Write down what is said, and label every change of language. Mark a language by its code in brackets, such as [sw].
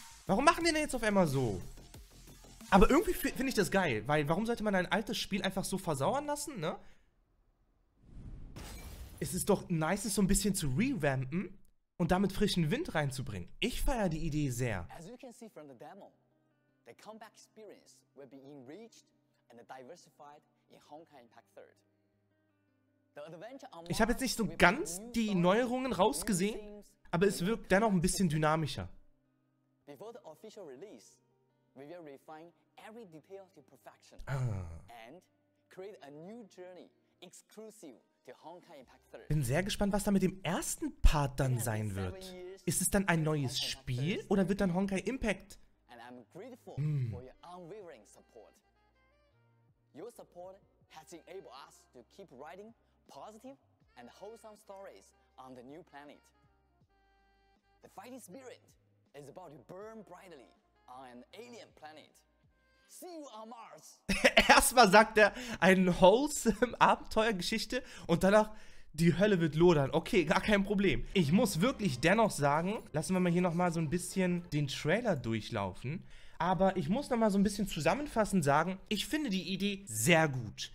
[de] Warum machen die denn jetzt auf einmal so? Aber irgendwie finde ich das geil, weil warum sollte man ein altes Spiel einfach so versauern lassen, ne? Es ist doch nice, es so ein bisschen zu revampen. Und damit frischen Wind reinzubringen. Ich feiere die Idee sehr. [en] As you can see from the demo, the comeback experience will be enriched and diversified in Honkai Impact 3rd. [de] Ich habe jetzt nicht so ganz die Neuerungen rausgesehen, aber es wirkt dennoch ein bisschen dynamischer. [en] Before the official release, we will refine every detail to perfection and create a new journey exclusive to Honkai Impact 3rd. [de] Bin sehr gespannt, was da mit dem ersten Part dann sein wird. Ist es dann ein neues Spiel oder wird dann Honkai Impact? [en] And I'm grateful for your unwavering support. Your support has enabled us to keep writing positive and wholesome stories on the new planet. The fighting spirit is about to burn brightly on an alien planet. See you on Mars. [de] Erstmal sagt er eine wholesome Abenteuergeschichte und danach die Hölle wird lodern. Okay, gar kein Problem. Ich muss wirklich dennoch sagen, lassen wir mal hier nochmal so ein bisschen den Trailer durchlaufen. Aber ich muss nochmal so ein bisschen zusammenfassend sagen, ich finde die Idee sehr gut.